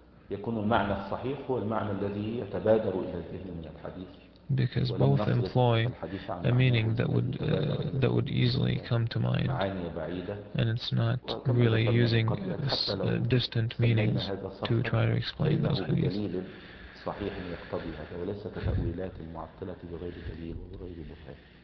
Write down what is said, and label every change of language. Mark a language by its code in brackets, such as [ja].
[ar] يكون المعنى الصحيح هو المعنى الذي يتبادر إلى الذهن من الحديث [en] because both employ a meaning that would easily come to mind, and it's not really using distant meanings to try to explain those hadiths. [ar] صحيح يقتضي هذا وليس تأويلات معطلة بغير دليل وبغير برهان.